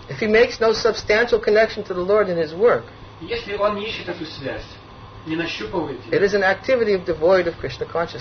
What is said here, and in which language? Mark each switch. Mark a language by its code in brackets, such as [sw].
[en] If he makes no substantial connection to the Lord in his work, [ru] если он не ищет эту связь, не нащупывает ее, [en] it is an activity devoid of Krishna consciousness.